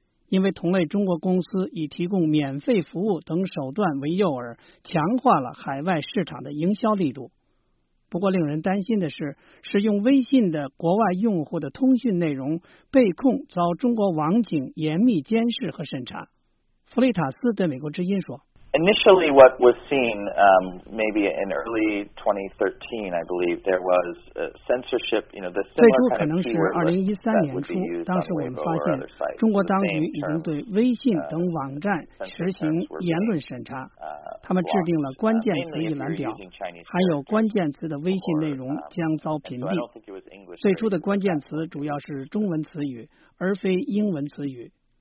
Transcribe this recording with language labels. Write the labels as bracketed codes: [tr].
[zh] 因为同类中国公司以提供免费服务等手段为诱饵，强化了海外市场的营销力度。不过令人担心的是，使用微信的国外用户的通讯内容被控遭中国网警严密监视和审查。弗雷塔斯对美国之音说， [en] Initially what was seen, maybe in early 2013, I believe, there was censorship, you know, the similar [zh] 最初可能是2013年初，当时我们发现中国当局已经对微信等网站实行言论审查，他们制定了关键词一览表，还有关键词的微信内容将遭屏蔽。最初的关键词主要是中文词语，而非英文词语。